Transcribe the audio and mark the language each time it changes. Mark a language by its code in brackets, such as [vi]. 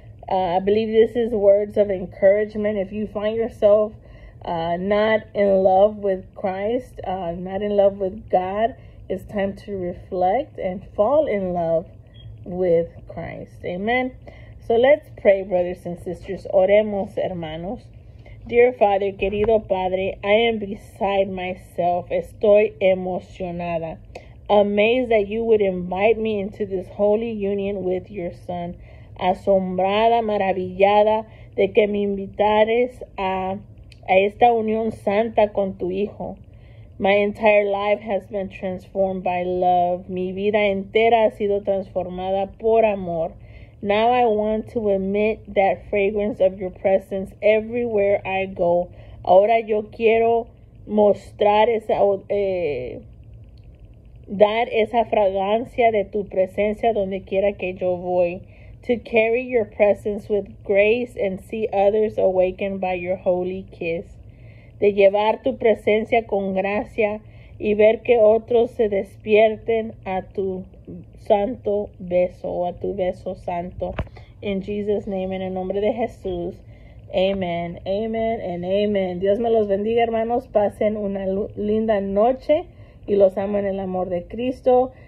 [en] I believe this is words of encouragement. If you find yourself not in love with Christ, not in love with God, it's time to reflect and fall in love with Christ. Amen. So let's pray, brothers and sisters. [es] Oremos, hermanos. [en] Dear Father, [es] querido Padre, [en] I am beside myself. [es] Estoy emocionada. [en] Amazed that you would invite me into this holy union with your Son. [es] Asombrada, maravillada de que me invitares a esta unión santa con tu Hijo. [en] My entire life has been transformed by love. [es] Mi vida entera ha sido transformada por amor. [en] Now I want to emit that fragrance of your presence everywhere I go. [es] Ahora yo quiero mostrar esa, dar esa fragancia de tu presencia donde quiera que yo voy. [en] To carry your presence with grace and see others awakened by your holy kiss. [es] De llevar tu presencia con gracia y ver que otros se despierten a tu santo beso, o a tu beso santo. [en] In Jesus' name, [es] en el nombre de Jesús. [en] Amen, amen, and amen. [es] Dios me los bendiga, hermanos. Pasen una linda noche y los amo en el amor de Cristo.